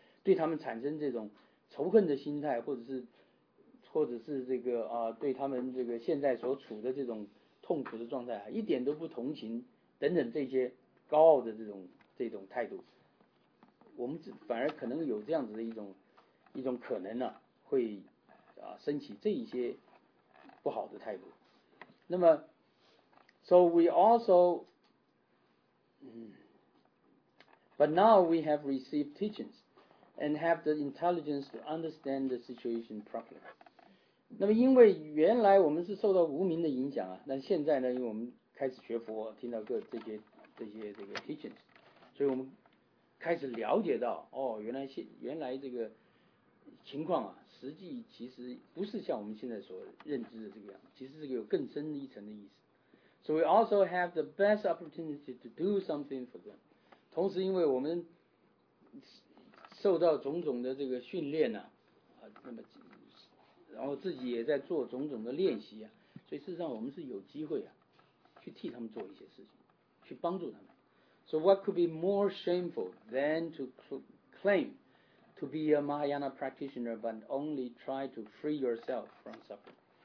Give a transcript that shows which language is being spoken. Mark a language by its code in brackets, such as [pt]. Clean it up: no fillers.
[zh] 对他们产生这种仇恨的心态，或者是这个啊，对他们这个现在所处的这种痛苦的状态啊，一点都不同情等等这些高傲的这种态度，我们反而可能有这样子的一种可能呢、啊，会啊升起这一些不好的态度。那么 [en] ，so we also， but now we have received teachings and have the intelligence to understand the situation properly。 [zh] 那么因为原来我们是受到无明的影响啊，那现在呢，因为我们开始学佛，听到这些 teachings， 所以我们开始了解到，哦，原来这个情况啊，实际其实不是像我们现在所认知的这个样子，其实这个有更深一层的意思。 [en] So we also have the best opportunity to do something for them。 [zh] 同时因为我们受到种种的这个训练啊，那么然后自己也在做种种的练习啊，所以事实上我们是有机会啊，去替他们做一些事情，去帮助他们。 [en] So what could be more shameful than to claim to be a Mahayana practitioner but only try to free yourself from suffering？